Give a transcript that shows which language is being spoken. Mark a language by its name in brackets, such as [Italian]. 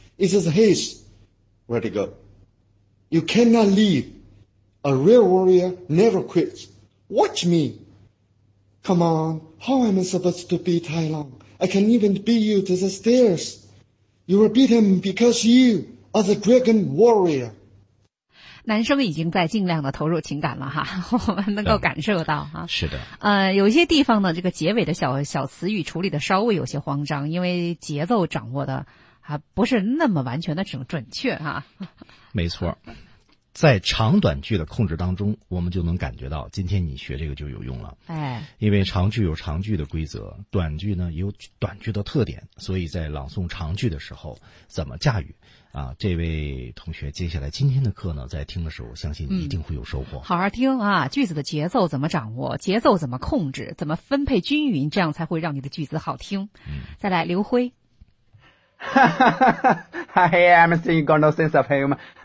[English] It is his. Where'd he go? You cannot leave. A real warrior never quits. Watch me. Come on, how am I supposed to beat Tailong? I can't even beat you to the stairs. You will beat him because you are the dragon warrior. [Chinese] 男生已经在尽量的投入情感了哈，我们能够感受到哈。是的。有些地方呢，这个结尾的小词语处理的稍微有些慌张，因为节奏掌握的还不是那么完全的准确哈、啊，没错，在长短句的控制当中，我们就能感觉到今天你学这个就有用了。哎，因为长句有长句的规则，短句呢有短句的特点，所以在朗诵长句的时候怎么驾驭啊？这位同学接下来今天的课呢，在听的时候，相信一定会有收获。嗯、好好听啊，句子的节奏怎么掌握，节奏怎么控制，怎么分配均匀，这样才会让你的句子好听。嗯、再来，刘辉。 [English] 哈哈哈哈哈 ！Hey, I'm saying you got no sense of humor.